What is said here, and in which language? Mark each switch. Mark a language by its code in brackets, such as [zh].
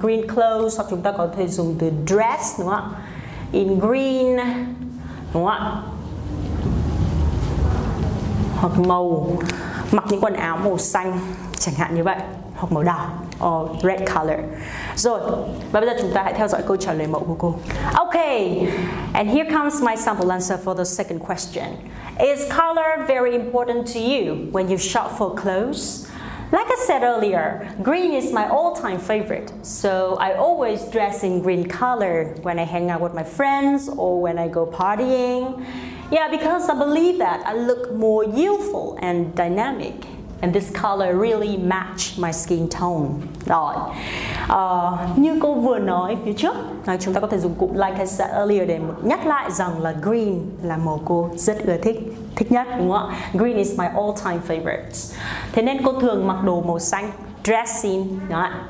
[en] Green clothes, [vi] hoặc chúng ta có thể dùng từ dress, đúng không? [en] In green, [vi] đúng không? Hoặc màu, mặc những quần áo màu xanh chẳng hạn như vậy, hoặc màu đỏ [en] or red color. [vi] Rồi, và bây giờ chúng ta hãy theo dõi câu trả lời mẫu của cô. [en] Okay, and here comes my sample answer for the second question. Is color very important to you when you shop for clothes? Like I said earlier, green is my all-time favorite, so I always dress in green color when I hang out with my friends or when I go partying. Yeah, because I believe that I look more youthful and dynamic, and this color really match my skin tone. [vi] Rồi, như cô vừa nói phía trước, chúng ta có thể dùng cụm [en] like I said earlier [vi] để nhắc lại rằng là green là màu cô rất ưa thích, thích nhất, đúng không ạ? [en] Green is my all-time favorite. [vi] Thế nên cô thường mặc đồ màu xanh, dressing, đúng không ạ?